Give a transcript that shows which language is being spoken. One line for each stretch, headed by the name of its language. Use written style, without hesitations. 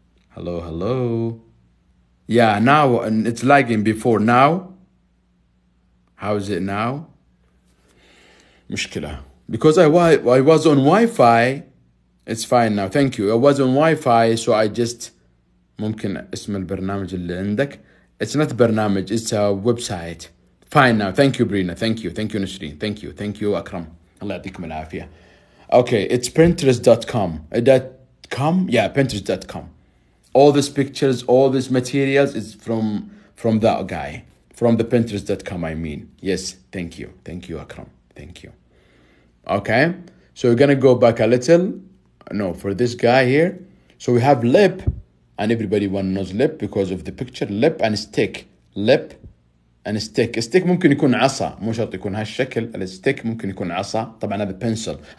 English: Hello. Yeah, now and it's lagging before now. How is it now? Mushkila. Because I was on Wi-Fi. It's fine now. Thank you. I was on Wi-Fi, so I just...
Arabic: ممكن اسم البرنامج اللي عندك.
English: It's not a برنامج, it's a website. Fine now, thank you, Brina. Thank you, Nasreen. Thank you, Akram.
Arabic: Allah يعطيكم العافية.
English: Okay, it's Pinterest.com. .com? Yeah, Pinterest.com. All these pictures, all these materials is from that guy. From the Pinterest.com, I mean. Yes, thank you. Thank you, Akram. Thank you. Okay, so we're gonna go back a little. No, for this guy here. So we have lip. And everybody one knows lip because of the picture. Lip and stick. Lip and stick.
Arabic: Stick ممكن يكون عصا. مو شرط يكون هالشكل. الستيك ممكن يكون عصا. طبعا هذا pencil.